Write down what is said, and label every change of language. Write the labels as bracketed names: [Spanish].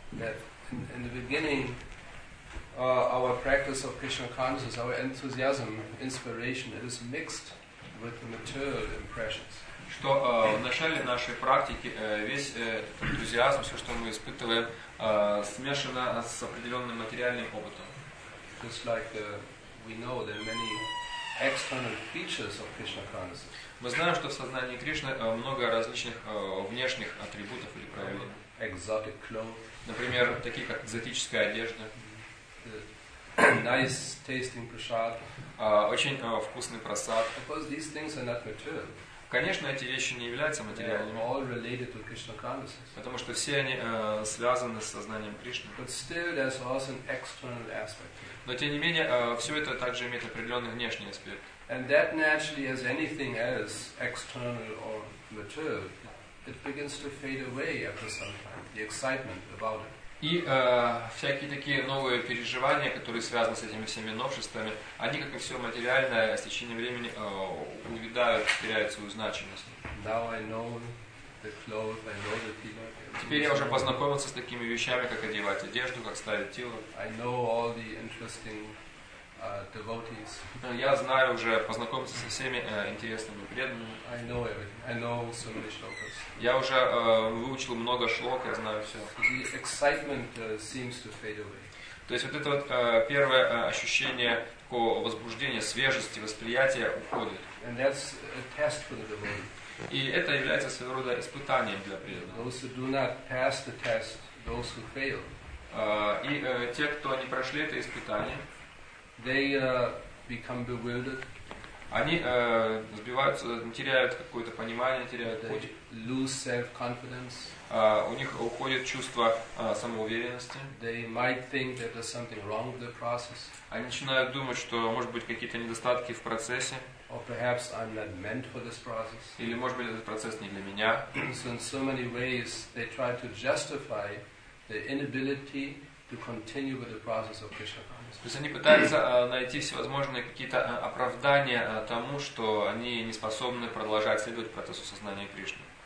[English] That in the beginning, our practice of Krishna consciousness, our enthusiasm, inspiration, it is mixed with the material impressions. [Russian] Что в начале нашей практики весь этот энтузиазм, все, что мы испытываем, смешано с определенным материальным опытом. [English] Just like we know there are many external features of Krishna consciousness. [Russian] Мы знаем, что в сознании Кришны много различных внешних атрибутов или проявлений. [English] Exotic clothes. [Russian] Например, такие как экзотическая одежда. [English] Nice tasting prasad. [Russian] Очень вкусный прасад. [English] Because these things are not material. [Russian] Конечно, эти вещи не являются материальными. [English] They are all related to Krishna consciousness. [Russian] Потому что все они связаны с сознанием Кришны. [English] But still there's also an external aspect. [Russian] Но тем не менее, все это также имеет определенный внешний аспект. [English] And that naturally as anything else, external or material, it begins to fade away after some time, the excitement about it. [Russian] И всякие такие новые переживания, которые связаны с этими всеми новшествами, они, как и все материальное, с течением времени увядают, теряют свою значимость. [English] Now I know the clothes, I know the tilak. [Russian] Теперь я уже познакомился с такими вещами, как одевать одежду, как ставить тилак. [English] I know all the interesting devotees. [Russian] Я знаю уже, познакомился со всеми интересными преданными. [English] I know everything. I know so many shlokas. [Russian] Я уже выучил много шлок, я знаю все. [English] The excitement seems to fade away. [Russian] То есть вот это вот первое ощущение такого возбуждения, свежести, восприятия уходит. [English] And that's a test for the devotee. [Russian] И это является своего рода испытанием для преданных. [English] Those who do not pass the test, those who fail. [Russian] И те, кто не прошли это испытание, [English] they become bewildered. [Russian] Они сбиваются, теряют какое-то понимание, теряют путь. [English] They lose self-confidence. [Russian] У них уходит чувство самоуверенности. [English] They might think that there's something wrong with the process. [Russian] Они начинают думать, что может быть какие-то недостатки в процессе. [English] Or perhaps I'm not meant for this process. [Russian] Или может быть этот процесс не для меня. [English] So in so many ways they try to justify the inability to continue with the process of Krishna consciousness. [Russian] То есть они пытаются найти всевозможные какие-то оправдания тому, что они не способны продолжать следовать процессу сознания Кришны.